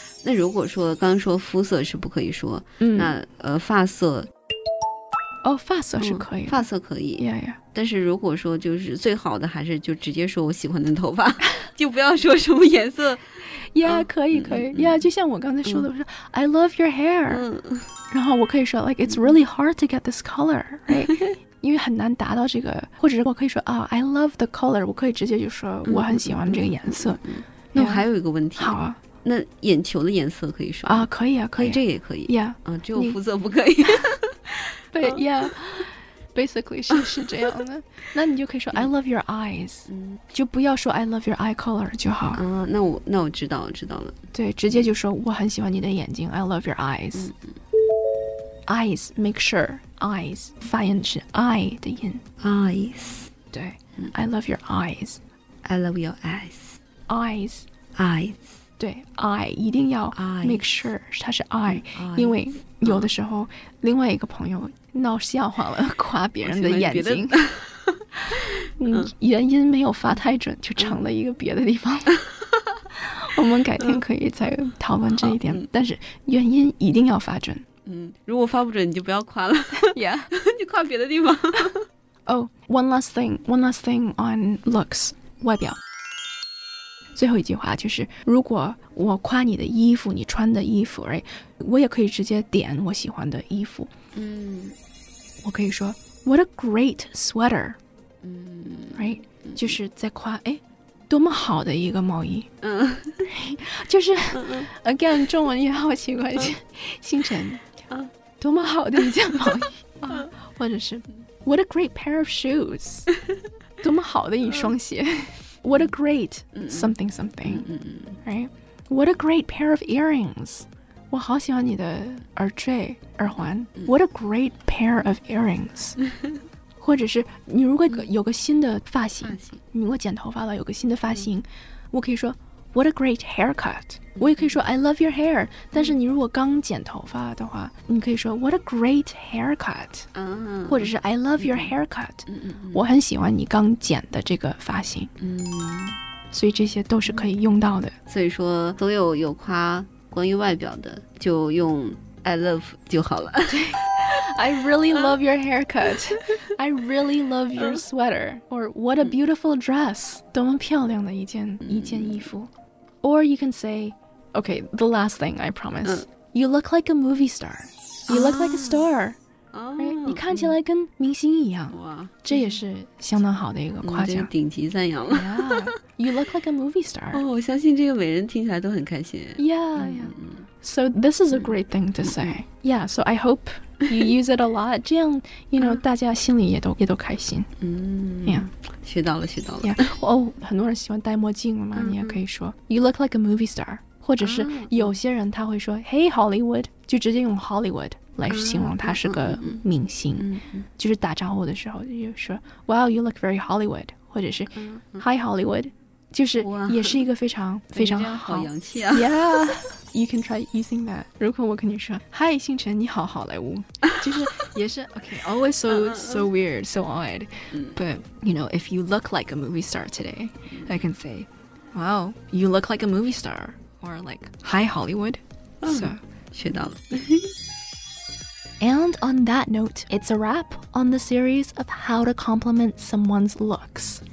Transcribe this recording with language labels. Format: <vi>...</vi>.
<zh>那如果说刚说肤色是不可以说、嗯、那发色哦发色是可以、嗯、发色可以</zh> <en>yeah, yeah.</en> <zh>但是如果说就是最好的还是就直接说我喜欢的头发就不要说什么颜色呀、yeah, 哦、可以可以呀、嗯 yeah, 就像我刚才说的、嗯、我说</zh> <en>I love your hair、嗯、</en> <zh>然后我可以说</zh> <en>like it's really hard to get this color、right?</en> <zh>因为很难达到这个或者是我可以说、</zh> <en>oh, I love the color</en> <zh>我可以直接就说我很喜欢这个颜色、嗯 yeah. 那我还有一个问题好啊那眼球的颜色可以说啊，可以啊，可以，哎、这也可以。</zh> <en>Yeah，</en> <zh>啊，只有肤色不可以。对，Yeah，basically 是这样的。那你就可以说、</zh> <en>嗯、I love your eyes，、嗯、</en> <zh>就不要说</zh> <en>I love your eye color</en> <zh>就好。啊，那我知道了，知道了。对，直接就说我很喜欢你的眼睛 ，</zh> <en>I love your eyes、嗯。 Eyes，make sure eyes</en> <zh>发音是</zh> <en>I 的音。 Eyes，对、嗯、，I love your eyes。 I love your eyes。 Eyes。 对 I</en> <zh>一定要</zh> <en>make sure</en> <zh>它是 I 因为有的时候、啊、另外一个朋友闹笑话了夸别人的眼睛的原因没有发太准就成了一个别的地方、嗯、我们改天可以再讨论这一点、嗯、但是原因一定要发准嗯，如果发不准你就不要夸了</zh> <en>yeah</en> <zh>你夸别的地方</zh> <en>oh one last thing on looks</en> <zh>外表最后一句话就是如果我夸你的衣服你穿的衣服、right? 我也可以直接点我喜欢的衣服、嗯、我可以说</zh> <en>What a great sweater、嗯 right?</en> <zh>就是在夸哎，多么好的一个毛衣、嗯、就是 again 中文也好奇怪、嗯、星辰、嗯、多么好的一件毛衣、嗯、或者是</zh> <en>What a great pair of shoes</en> <zh>多么好的一双鞋、嗯</zh> <en>What a great something something, right? What a great pair of earrings.</en> <zh>我好喜欢你的耳坠耳环</zh> <en>What a great pair of earrings.</en> <zh>或者是你如果有个新的发型，你如果剪头发了，有个新的发型，我可以说</zh> <en>What a great haircut.</en> <zh>我也可以说</zh> <en>I love your hair.</en> <zh>但是你如果刚剪头发的话，你可以说</zh> <en>What a great haircut.</en> <zh>或者是</zh> <en>I love your haircut.</en> <zh>我很喜欢你刚剪的这个发型。所以这些都是可以用到的。所以说所有有夸关于外表的就用 I love 就好了。</zh> <en>对，I really love your haircut. I really love your sweater. Or what a beautiful dress.</en> <zh>多么漂亮的一件衣服。</zh> <en>Or you can say, okay, the last thing, I promise. You look like a movie star. You look like a star. Right?</en> <zh>你看起来跟明星一样。这也是相当好的一个夸奖。这顶级赞扬了。</zh> <en>Yeah, you look like a movie star.</en> <zh>我相信这个每人听起来都很开心。</zh> <en>Yeah, So this is a great thing to say. Yeah, so I hope... You use it a lot.</en> <zh>这样</zh> <en>you know,</en> <zh>大家心里也都开心。学到了，学到了。很多人喜欢戴墨镜了嘛，你也可以说</zh> <en>You look like a movie star.</en> <zh>或者是有些人他会说</zh> <en>Hey Hollywood,</en> <zh>就直接用 Hollywood 来形容他是个明星。就是打招呼的时候就说</zh> <en>Wow, you look very Hollywood.</en> <zh>或者是</zh> <en>Hi Hollywood,</en> <zh>就是也是一个非常非常好洋气啊。</zh> <en>Yeah. You can try using that.</en> <zh>如果我跟你说 Hi, 星辰你好好莱坞就是也是</zh> <en>okay, always so, so weird, so odd. But, you know, if you look like a movie star today, I can say, wow, you look like a movie star. Or like, hi, Hollywood. So,</en> <zh>学到了。</zh> <en>And on that note, it's a wrap on the series of how to compliment someone's looks.</en>